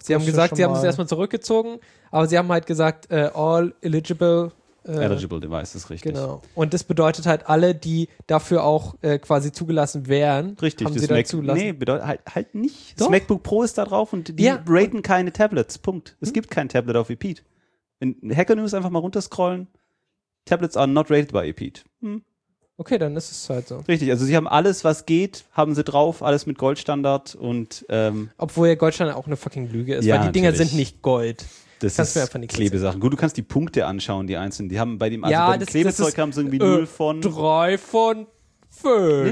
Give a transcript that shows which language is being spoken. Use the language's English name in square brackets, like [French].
[German] Sie haben gesagt, sie haben es erstmal zurückgezogen, aber sie haben halt gesagt, [English] all eligible. [German] Eligible Devices, richtig. Genau. Und das bedeutet halt, alle, die dafür auch quasi zugelassen wären, richtig, haben sie dann zugelassen. Nee, bedeutet halt nicht. Doch. Das MacBook Pro ist da drauf und die raten keine Tablets. Punkt. Es gibt kein Tablet auf Epeat. In Hacker News einfach mal runterscrollen. [English] Tablets are not rated by Epeat. [German] Okay, dann ist es halt so. Richtig, also sie haben alles, was geht, haben sie drauf, alles mit Goldstandard und obwohl ja Goldstandard auch eine fucking Lüge ist, ja, weil die natürlich. Dinger sind nicht Gold. Das kannst ist mir einfach nicht Klebesachen. Gut, du kannst die Punkte anschauen, die einzelnen. Die haben bei dem, ja, also beim Klebezeug haben sie irgendwie 0 von 3 von 5.